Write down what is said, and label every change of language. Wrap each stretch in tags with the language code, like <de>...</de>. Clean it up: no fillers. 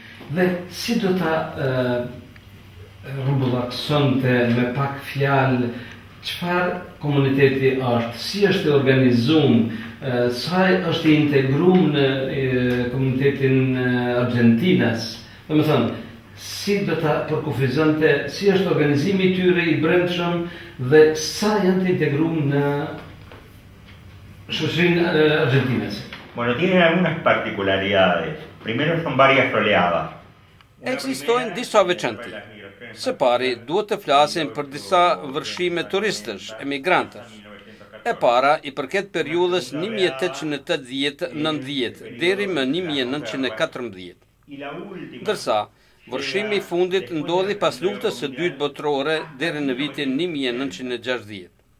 <sq>Dhe si do ta rrugullaksonte me pak fjalë, çfarë komuniteti është, si është organizuar, sa është integruar në komunitetin Argentinas? Do të thonë, si do ta përkufizonte, si është organizimi i tyre i brendshëm dhe sa janë të integruar në shoqërinë argentinase?</sq> <es>Bueno, tienen algunas particularidades. Primero son varias oleadas.</es> <sq>Ekzistojnë disa veçanti. Së pari, duhet të flasim për disa vërshime turistësh, emigrantësh. E para, i përket periudhës 1880-90 deri më 1914. Dërsa, vërshimi i fundit ndodhi pas luftës së dytë botërore deri në vitin 1960.</sq>